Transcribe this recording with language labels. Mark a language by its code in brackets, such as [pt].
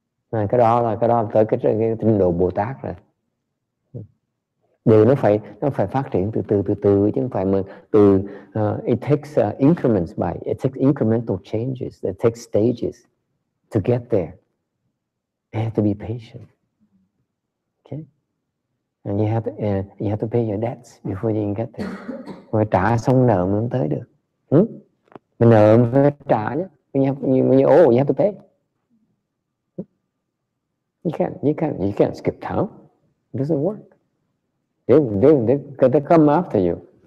[vi] À, cái đó là tới cái trình độ Bồ Tát rồi. Điều nó phải phát triển từ từ chứ không phải mà từ [en] it takes incremental changes, it takes stages to get there. You have to be patient. Okay? And you have to pay your debts before you can get there. [vi] Phải trả xong nợ mới tới được. Mình nợ phải trả chứ. [en] You have to pay. You can't skip town. It doesn't work. They come after you.